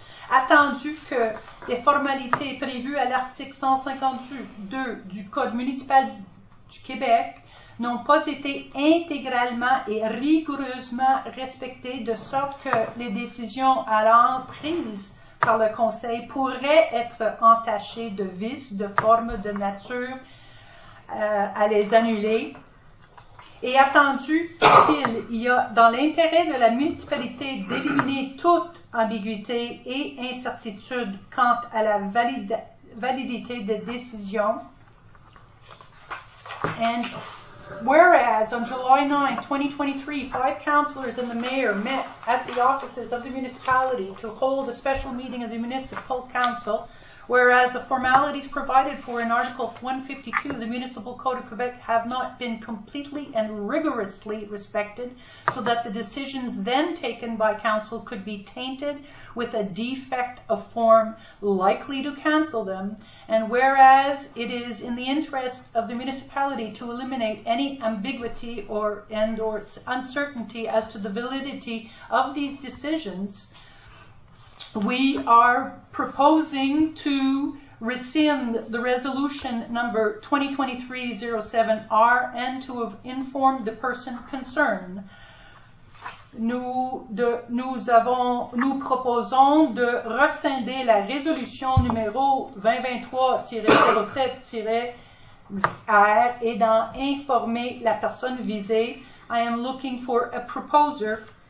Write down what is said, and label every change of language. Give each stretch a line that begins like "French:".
French: Attendu que les formalités prévues à l'article 152 du Code municipal du Québec n'ont pas été intégralement et rigoureusement respectées de sorte que les décisions alors prises par le Conseil pourraient être entachées de vices de forme de nature à les annuler. Et attendu qu'il y a dans l'intérêt de la municipalité d'éliminer toute ambiguïté et incertitude quant à la validité des décisions.
English: And whereas on July 9, 2023, five councillors and the mayor met at the offices of the municipality to hold a special meeting of the municipal council, whereas the formalities provided for in Article 152 of the Municipal Code of Quebec have not been completely and rigorously respected so that the decisions then taken by council could be tainted with a defect of form likely to cancel them, and whereas it is in the interest of the municipality to eliminate any ambiguity or uncertainty as to the validity of these decisions, we are proposing to rescind the resolution number 2023-07-R and to have informed the person concerned.
French: Nous proposons de rescinder la résolution numéro 2023-07-R et d'en informer la personne visée.
English: I am looking for a proposer.